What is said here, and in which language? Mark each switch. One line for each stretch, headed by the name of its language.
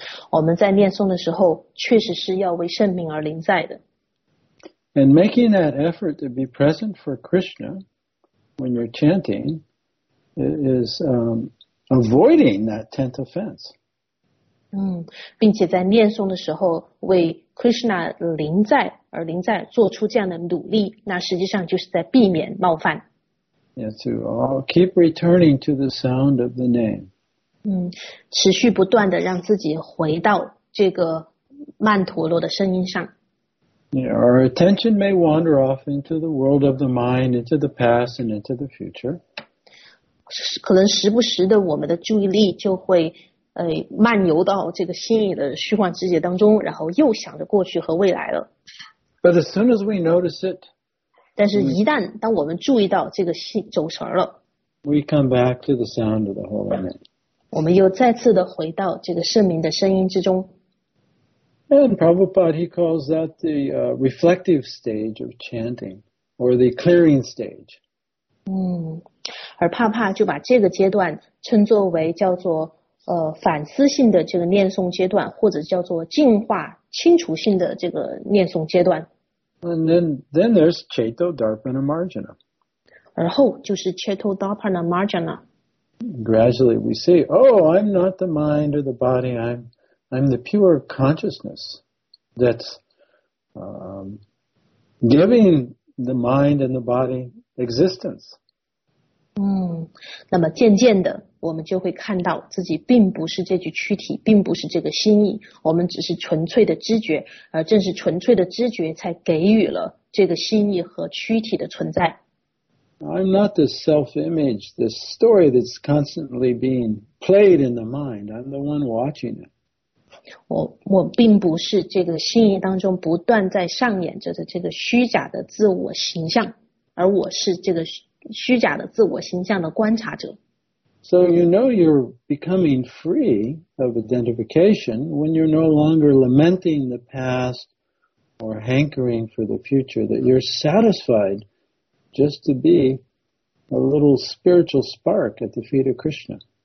Chinese: 我们在念诵的时候确实是要为圣名而临在的。
English: And making that effort to be present for Krishna when you're chanting is avoiding that tenth offense.
Chinese: 并且在念诵的时候为 Krishna 临在而临在做出这样的努力，那实际上就是在避免冒犯。
English: Yeah, to all keep returning to the sound of the name.
Chinese: 持续不断地让自己回到这个曼陀罗的声音上。
English: Yeah, our attention may wander off into the world of the mind, into the past and into the future.
Chinese: 可能时不时的我们的注意力就会漫游到这个心里的虚幻世界当中，然后又想着过去和未来了。
English: But as soon as we notice it,
Chinese: 但是一旦当我们注意到这个心走神了，
English: we come back to the sound of the holy name.
Chinese: 我们又再次的回到这个圣名的声音之中。
English: And Prabhupada, he calls that the reflective stage of chanting, or the clearing stage.
Chinese: 而帕帕就把这个阶段称作为叫做反思性的这个念诵阶段，或者叫做净化清除性的这个念诵阶段。
English: And then there's Chaito Dharpana Marjana.
Chinese: 而后就是 Chaito Dharpana Marjana.
English: Gradually we see, oh, I'm not the mind or the body, I'm the pure consciousness that's giving the mind and the body existence.
Chinese: 那么渐渐的我们就会看到自己并不是这具躯体，并不是这个心意，我们只是纯粹的知觉，而正是纯粹的知觉才给予了这个心意和躯体的存在。
English: I'm not the self-image, the story that's constantly being played in the mind. I'm the one watching it.
Chinese: 我并不是这个心意当中不断在上演着的这个虚假的自我形象，而我是这个虚假的自我形象的观察者。
English: So you know you're becoming free of identification when you're no longer lamenting the past or hankering for the future, that you're satisfied just to be a little spiritual spark at the feet of Krishna.